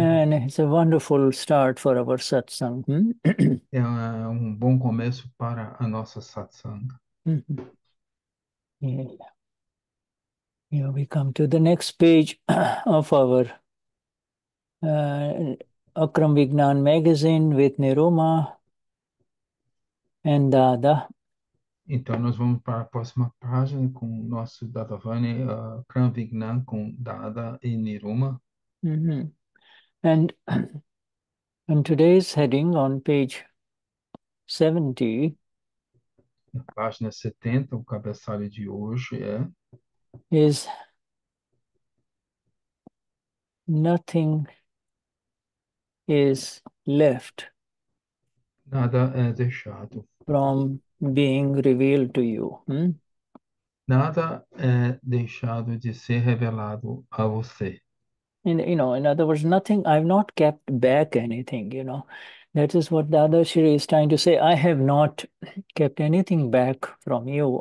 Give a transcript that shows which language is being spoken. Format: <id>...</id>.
<en>And it's a wonderful start for our satsang.</en> <pt>É um bom começo para a nossa satsanga.</pt> <en>Here we come to the next page of our Akram Vignan magazine with Niruma and Dada.</en> <pt>Então, nós vamos para a próxima página com o nosso Dadavani, Kram Vignan, com Dada e Niruma.</pt> <en>And today's heading on page 70</en> <pt>Na página 70, o cabeçalho de hoje é.</pt> <en>is nothing is left</en> <pt>Nada é deixado.</pt> <en>from being revealed to you.</en> <pt>Nada é deixado de ser revelado a você.</pt> <en>In other words, nothing, I've not kept back anything, you know. That is what Dada Shri is trying to say. I have not kept anything back from you.</en>